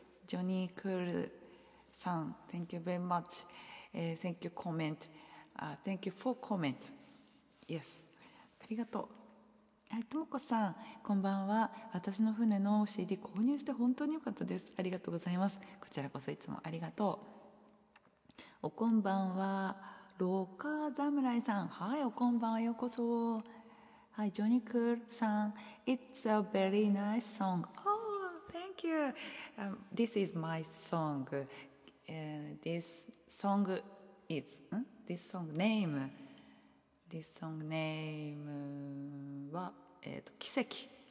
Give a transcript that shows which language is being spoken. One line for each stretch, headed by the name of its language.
English: ジョニー・クールさん、Thank you very much、Thank you comment、Thank you for comment、Yes、
Japanese: ありがとう。ともこさん、こんばんは。私の船の CD 購入して本当に良かったです。ありがとうございます。こちらこそいつもありがとう。おこんばんは、ローカー侍さん。はい、おこんばんは、ようこそ。
English: はい、ジョニー・クールさん、It's a very nice song。 Thank you. This is my song.、this song is、this song name. This song name
Japanese: は、奇跡。